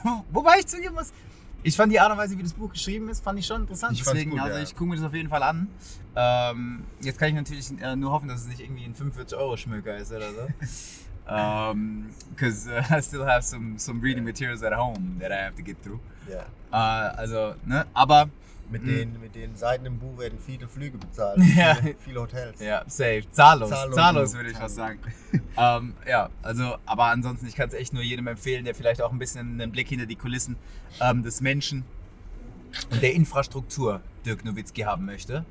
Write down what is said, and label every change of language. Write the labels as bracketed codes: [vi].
[de] wobei ich zugeben muss, ich fand die Art und Weise, wie das Buch geschrieben ist, fand ich schon interessant. Ich gucke mir das auf jeden Fall an. Jetzt kann ich natürlich nur hoffen, dass es nicht irgendwie ein 45-Euro-Schmöker ist oder so. [en] Because I still have some reading materials at home that I have to get through. Yeah. [de] Also, ne, aber... Mit den Seiten im Buch werden viele Flüge bezahlt, viele Hotels. Ja, safe. Zahllos würde ich was sagen. ja, also, aber ansonsten, ich kann es echt nur jedem empfehlen, der vielleicht auch ein bisschen einen Blick hinter die Kulissen des Menschen und der Infrastruktur Dirk Nowitzki haben möchte.